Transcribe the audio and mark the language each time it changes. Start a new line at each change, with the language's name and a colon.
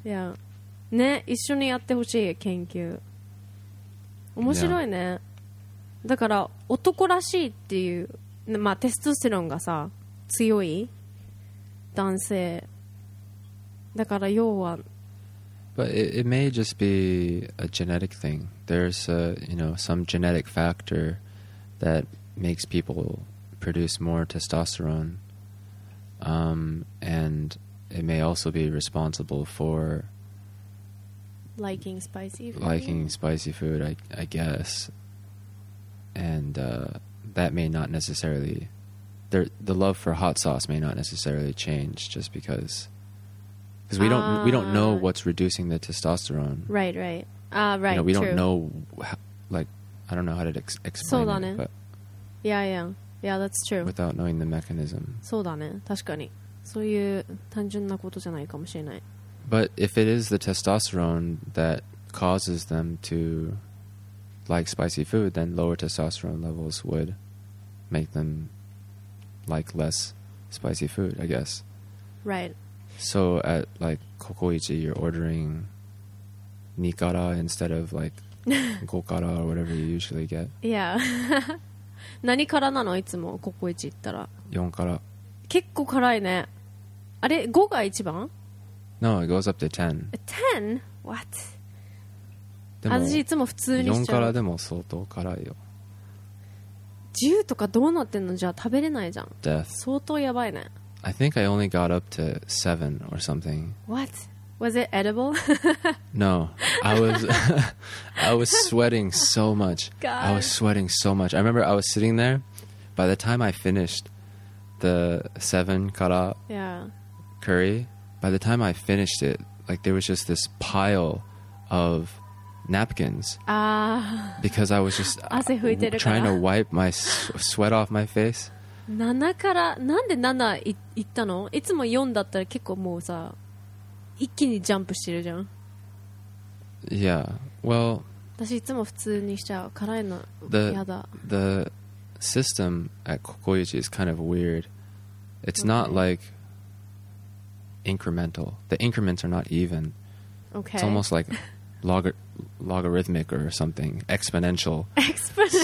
English: Yeah.
Japanese: ね、一緒にやってほしい研究。面白いね。
English: Yeah.
Japanese: だから男らしいっていう、まあテストステロンがさ、強い男性だから要は、
English: but it may just be a genetic thing. There's a, you know, some genetic factor that makes people produce more testosterone. And it may also be responsible for liking spicy food. Liking spicy food, I guess. And that may not necessarily. The love for hot sauce may not necessarily change just because we don't know what's reducing the testosterone. Right, right. Right. You know, don't know, like, I don't know how to explain it. But yeah, that's true. Without knowing the mechanism.
Japanese: そうだね、確かに。そういう単純なことじゃないかもしれない。
English: But if it is the testosterone that causes them to like spicy food, then lower testosterone levels would make themlike less spicy food, I guess. Right. So at like Kokoichi, you're ordering nikara instead of like gokara or whatever you usually get. Yeah.
Japanese: 何からなのいつもKokoichi行ったら。 4から。結構辛いね。あれ、5が一番？
English: No, it goes up to 10. 10? What?
Japanese: でも、私いつも普通にしちゃう。 4からでも相当辛いよ。 10とかどうなってんの、じゃあ食べれないじゃん。
English: Death.
Japanese: 相当やばいね。
English: I think I only got up to 7 or something. What? Was it edible? No. I was sweating so much. God. I was sweating so much. I remember I was sitting there. By the time I finished the 7 kara curry, by the time I finished it, like, there was just this pile of napkins. Because I was just trying to wipe my sweat off my face.
Japanese: 7 からなんで7いったの？いつも4だったら結構もうさ一気にジャンプしてるじゃん。
English: Yeah, well,
Japanese: 私いつも普通にしちゃう。辛いの嫌だ。
English: The system at Kokoyuchi is kind of weird. It's not like incremental. The increments are not even. Okay. It's almost like logarithmic or something. Exponential. Exponential.